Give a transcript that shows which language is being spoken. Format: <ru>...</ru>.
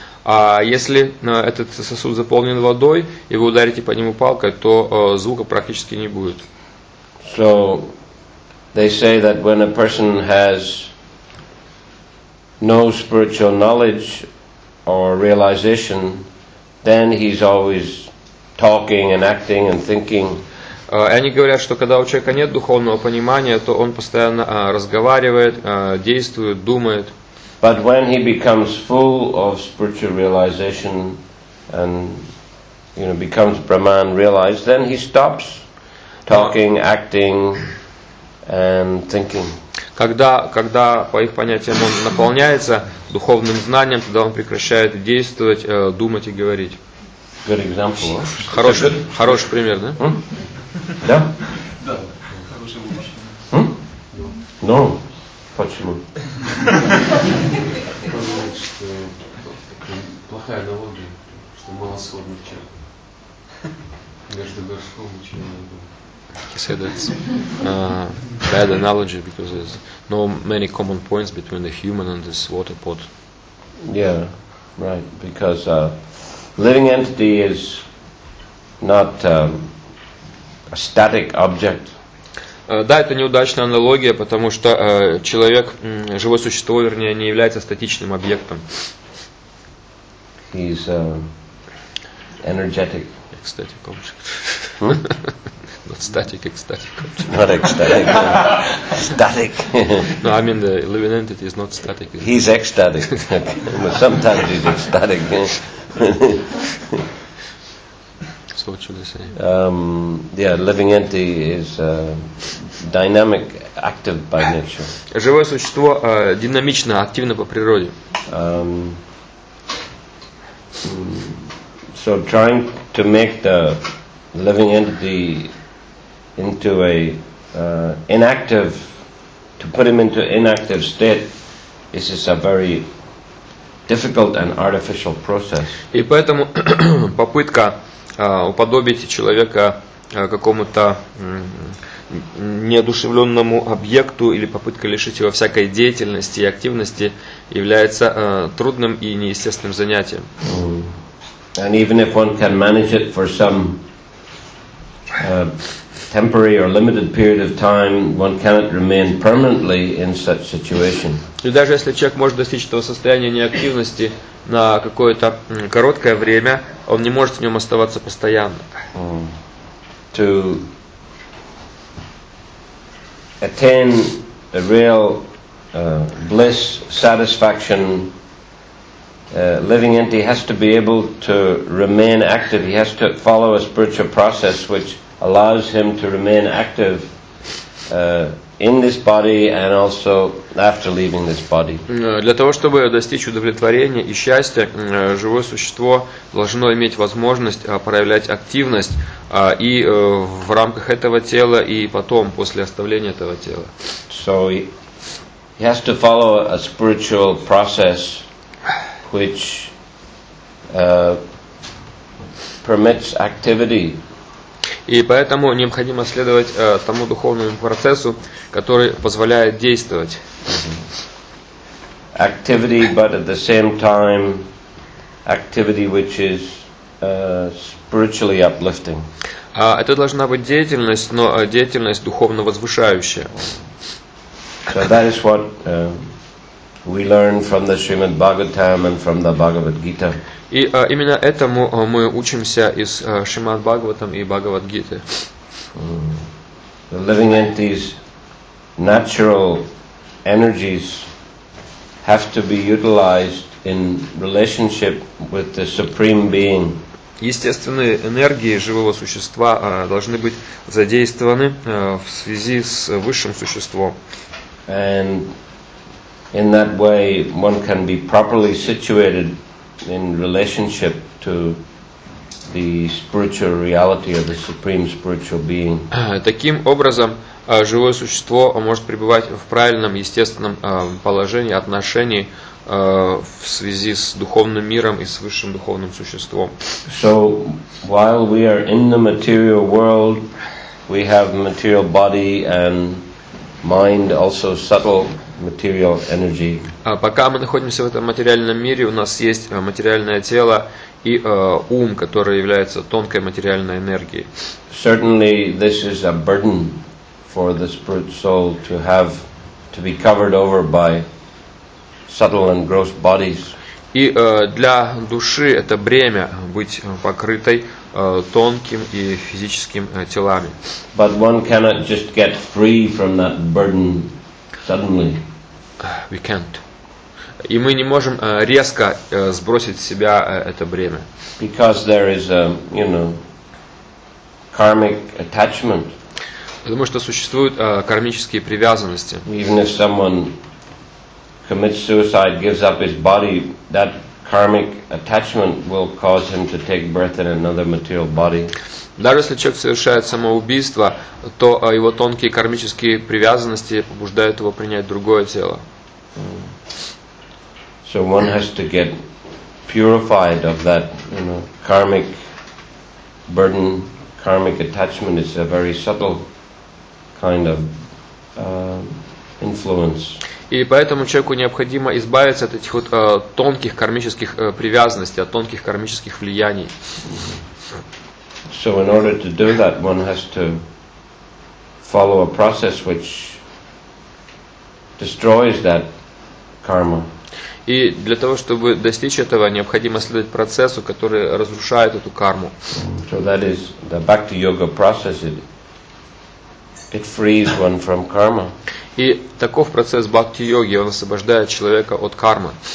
<ru>А если этот сосуд заполнен водой, и вы ударите по нему палкой, то звука практически не будет.</ru> <en>So, they say that when a person has no spiritual knowledge or realization, then he's always talking and acting and thinking.</en> <ru>И они говорят, что когда у человека нет духовного понимания, то он постоянно разговаривает, действует, думает.</ru> <en>But when he becomes full of spiritual realization and, you know, becomes Brahman realized, then he stops talking, acting and thinking.</en> <ru>Когда по их понятиям он наполняется духовным знанием, тогда он прекращает действовать, думать и говорить.</ru> <en>Good example.</en> <ru>Хороший пример, да? Да? Да. Ну, почему? Плохая аналогия, что мало сходно в чем. Между горшком и чем-нибудь.</ru> <en>He said that's a bad analogy because there's no many common points between the human and this water pot. Yeah, right. Because a living entity is not a static object.</en> <ru>Да, это неудачная аналогия, потому что человек, живое существо, вернее, не является статичным объектом.</ru> <en>He's energetic. Ecstatic object. Not static, ecstatic. Not ecstatic. Static. No, I mean the living entity is not static. He's ecstatic. But sometimes he's ecstatic. So what should I say? Living entity is dynamic, active by nature.</en> <ru>Живое существо динамично, активно по природе.</ru> <en>So trying to make the living entity into a inactive, to put him into inactive state, this is a very difficult and artificial process.</en> <ru>И поэтому попытка уподобить человека какому-то неодушевленному объекту или попытка лишить его всякой деятельности и активности является трудным и неестественным занятием.</ru> <en>And even if one can manage it for some temporary or limited period of time, one cannot remain permanently in such situation.</en> <ru>И даже если человек может достичь этого состояния неактивности на какое-то короткое время, он не может в нем оставаться постоянно.</ru> <en>To attain a real bliss, satisfaction, living entity has to be able to remain active. He has to follow a spiritual process which allows him to remain active in this body and also after leaving this body.</en> <ru>Для того, чтобы достичь удовлетворения и счастья, живое существо должно иметь возможность проявлять активность и в рамках этого тела, и потом, после оставления этого тела.</ru> <en>So he has to follow a spiritual process which permits activity.</en> <ru>И поэтому необходимо следовать тому духовному процессу, который позволяет действовать.</ru> <en>Activity, but at the same time, activity which is spiritually uplifting.</en> <ru>Это должна быть деятельность, но деятельность духовно возвышающая.</ru> <en>So that is what we learn from the Srimad Bhagavatam and from the Bhagavad Gita.</en> <ru>И именно этому мы учимся из Шримад Бхагаватам и Бхагавад Гиты.</ru> <en>The living entity's natural energies have to be utilized in relationship with the Supreme Being.</en> <ru>Естественные энергии живого существа должны быть задействованы в связи с высшим существом.</ru> <en>And in that way one can be properly situated in relationship to the spiritual reality of the Supreme Spiritual Being.</en> <ru>Таким образом, живое существо может пребывать в правильном, естественном положении, отношении в связи с духовным миром и с высшим духовным существом.</ru> <en>So, while we are in the material world, we have material body and mind, also subtle material energy.</en> <ru>Пока мы находимся в этом материальном мире, у нас есть материальное тело и ум, который является тонкой материальной энергией.</ru> <en>Certainly, this is a burden for the spirit soul to have to be covered over by subtle and gross bodies.</en> <ru>И для души это бремя быть покрытой тонким и физическим телами.</ru> <en>But one cannot just get free from that burden suddenly. We can't.</en> <ru>И мы не можем резко сбросить с себя это бремя.</ru> <en>Because there is a, you know, karmic attachment.</en> <ru>Потому что существуют кармические привязанности.</ru> <en>Even if someone commits suicide, gives up his body, that karmic attachment will cause him to take birth in another material body.</en> <ru>Даже если человек совершает самоубийство, то его тонкие кармические привязанности побуждают его принять другое тело.</ru> <en>So one has to get purified of that, you know, karmic burden, karmic attachment. It's a very subtle kind of influence.</en> <ru>И поэтому человеку необходимо избавиться от этих вот тонких кармических привязанностей, от тонких кармических влияний.</ru> <en>So in order to do that, one has to follow a process which destroys that karma.</en> <ru>И для того, чтобы достичь этого, необходимо следовать процессу, который разрушает эту карму.</ru> <en>So that is the Bhakti Yoga process. It frees one from karma.</en> <ru>И таков процесс Бхакти Йоги, он освобождает человека от кармы.</ru>